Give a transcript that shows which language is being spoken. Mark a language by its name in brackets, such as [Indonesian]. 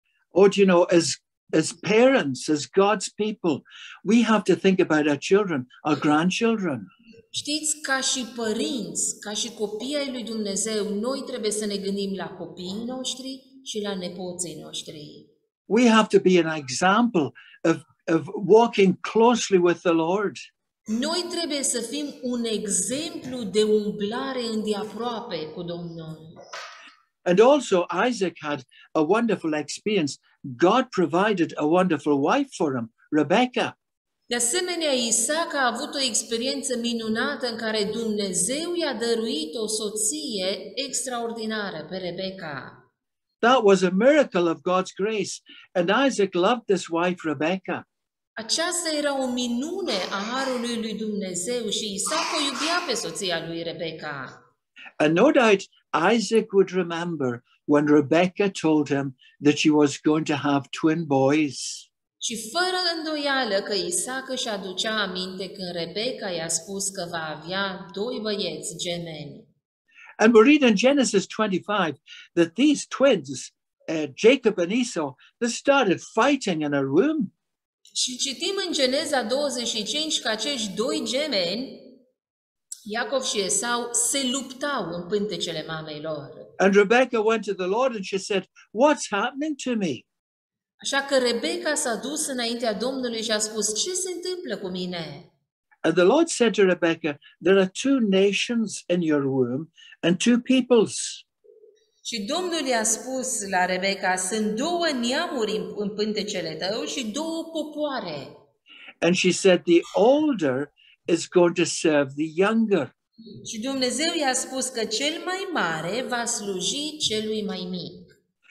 [English] Oh, do you know, as parents, as God's people, we have to think about our children, our grandchildren. [Romanian] Știți, ca și părinți, ca și copii ai lui Dumnezeu, noi trebuie să ne gândim la copiii noștri și la nepoții noștri. [English] We have to be an example of walking closely with the Lord. [Romanian] Noi trebuie să fim un exemplu de umblare îndeaproape cu Domnul. [English] And also Isaac had a wonderful experience. God provided a wonderful wife for him, Rebecca. [Romanian] De asemenea, Isaac a avut o experiență minunată în care Dumnezeu i-a dăruit o soție extraordinară pe Rebecca. [English] That was a miracle of God's grace, and Isaac loved this wife, Rebecca. [Romanian] Aceasta era o minune a harului lui Dumnezeu și Isaac o iubea pe soția lui Rebecca. [English] And no doubt Isaac would remember when Rebecca told him that she was going to have twin boys. [Romanian] Și fără îndoială că Isaac își aducea aminte când Rebecca i-a spus că va avea doi băieți gemeni. [English] And we read in Genesis 25 that these twins, Jacob and Esau, they started fighting in a room. [Romanian] Și citim în Geneza 25 că acești doi gemeni, Iacov și Esau, se luptau în pântecele mamei lor. [English] And Rebecca went to the Lord and she said, "What's happening to me?" [Romanian] Așa că Rebecca s-a dus înaintea Domnului și a spus: "Ce se întâmplă cu mine?" [English] And the Lord said to Rebecca, "There are two nations in your womb and two peoples." [Romanian] Și Domnul i-a spus la Rebecca: "Sunt două neamuri în pântecele tău și două popoare." [English] And she said, "The older is going to serve the younger." [Romanian] Și Dumnezeu i-a spus că cel mai mare va sluji celui mai mic.